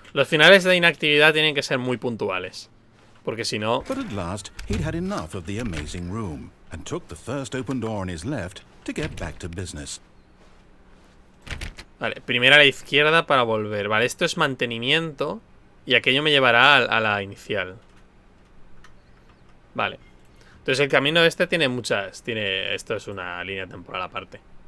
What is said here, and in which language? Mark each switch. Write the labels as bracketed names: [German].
[Spanish] Los finales de inactividad tienen que ser muy puntuales, porque si no. [English] But at last, he'd had enough of the amazing room and took the first open door on his left to get back to business. [Spanish] Vale, primero a la izquierda para volver. Vale, esto es mantenimiento y aquello me llevará a la inicial. Vale. Entonces el camino este tiene muchas, tiene, esto es una línea temporal aparte.